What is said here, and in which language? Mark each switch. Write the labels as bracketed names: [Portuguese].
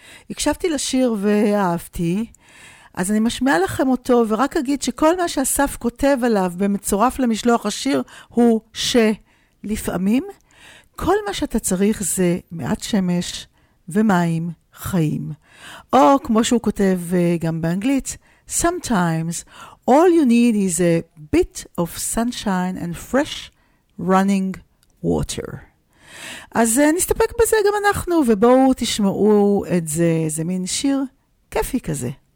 [Hebrew] הקשבתי לשיר ואהבתי, אז אני משמיע לכם אותו, ורק אגיד שכל מה שאסף כותב עליו במצורף למשלוח השיר, הוא שלפעמים כל מה שאתה צריך זה מעט שמש ומים חיים. או כמו שהוא כותב גם באנגלית, [English] Sometimes, all you need is a bit of sunshine and fresh running water. [Hebrew] אז נסתפק בזה גם אנחנו, ובואו תשמעו את זה, זה מין שיר כיפי כזה.